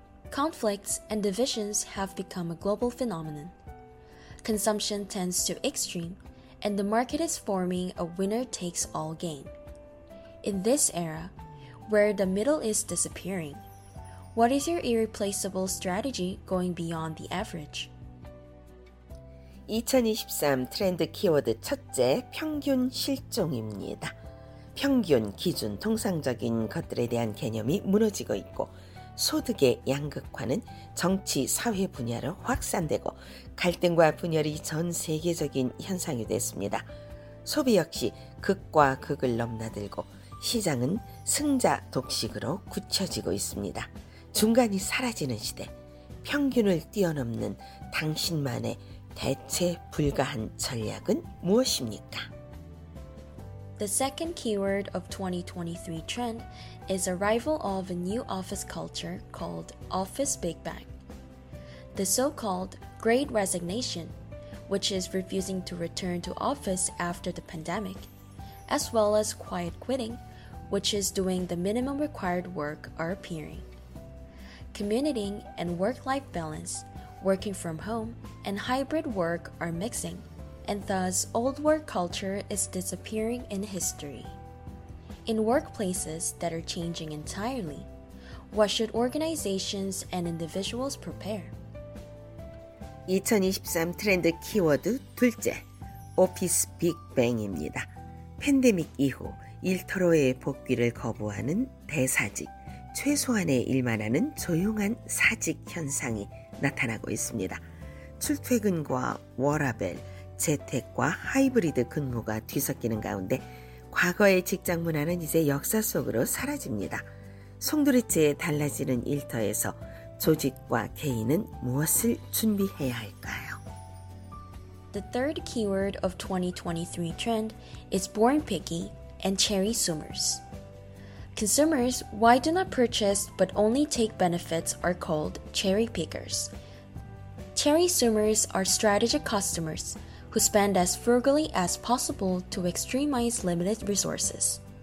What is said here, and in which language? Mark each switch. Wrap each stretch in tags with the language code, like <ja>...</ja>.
<en>Conflicts and divisions have become a global phenomenon. Consumption tends to extreme, and the market is forming a winner-takes-all game. In this era, where the middle is disappearing. What is your irreplaceable strategy going beyond the average?</en> <ko>2023 트렌드 키워드 첫째, 평균 실종입니다. 평균, 기준, 통상적인 것들에 대한 개념이 무너지고 있고 소득의 양극화는 정치, 사회 분야로 확산되고 갈등과 분열이 전 세계적인 현상이 됐습니다. 소비 역시 극과 극을 넘나들고 시장은 승자 독식으로 굳혀지고 있습니다. 중간이 사라지는 시대, 평균을 뛰어넘는 당신만의 대체 불가한 전략은 무엇입니까?</ko> <en>The second keyword of 2023 trend is arrival of a new office culture called Office Big Bang. The so-called Great Resignation, which is refusing to return to office after the pandemic, as well as Quiet Quitting, which is doing the minimum required work, are appearing. Commuting and work-life balance, working from home, and hybrid work are mixing, and thus old work culture is disappearing in history. In workplaces that are changing entirely, what should organizations and individuals prepare?</en> <ko>2023 트렌드 키워드 둘째, 오피스 빅뱅입니다. 팬데믹 이후 일터로의 복귀를 거부하는 대사직, 최소한의 일만 하는 조용한 사직 현상이 나타나고 있습니다. 출퇴근과 워라벨, 재택과 하이브리드 근무가 뒤섞이는 가운데 과거의 직장 문화는 이제 역사 속으로 사라집니다. 송두리째 달라지는 일터에서 조직과 개인은 무엇을 준비해야 할까요?</ko> <en>The third keyword of 2023 trend is born picky and cherry zoomers. Consumers, why do not purchase but only take benefits, are called cherry pickers. Cherry zoomers are strategic customers who spend as frugally as possible to extremize limited resources.</en>